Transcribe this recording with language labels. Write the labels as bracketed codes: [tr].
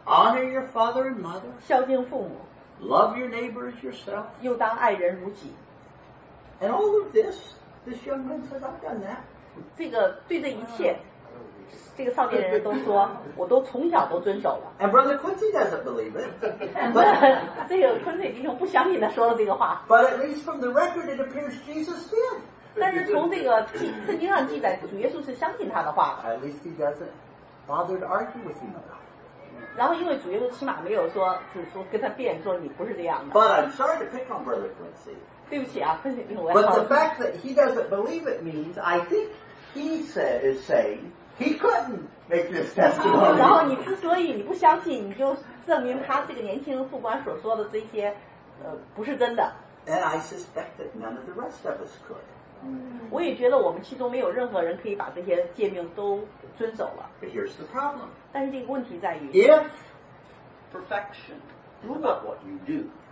[en] Honor your father and mother. [zh] 孝敬父母。 [en] Love your neighbor as yourself. [zh] 又当爱人如己。 [en] And all of this young man says, I've done that. [zh] 这个对这一切，这个少年人都说，我都从小都遵守了。 [en] And Brother Quincy doesn't believe it. [zh] 这个昆西弟兄不相信他说了这个话。 [en] But at least from the record, it appears Jesus did. [zh] 但是从这个圣经上记载，主耶稣是相信他的话。 [en] At least he doesn't bother to argue with him about it. [zh] 然后因为主耶稣起码没有说，就是说跟他辩说你不是这样的。 [en] But I'm sorry to pick on Brother Quincy. [zh] 对不起啊，分析我。 [en] But the fact that he doesn't believe it means, I think he is saying he couldn't make this testimony. [zh] 然后你之所以你不相信，你就证明他这个年轻副官所说的这些，不是真的。 [en] And I suspect that none of the rest of us could. [zh] 我也觉得我们其中没有任何人可以把这些诫命都遵守了。 [en] But here's the problem. [zh] 但是这个问题在于 [en] ，If perfection is about what you do.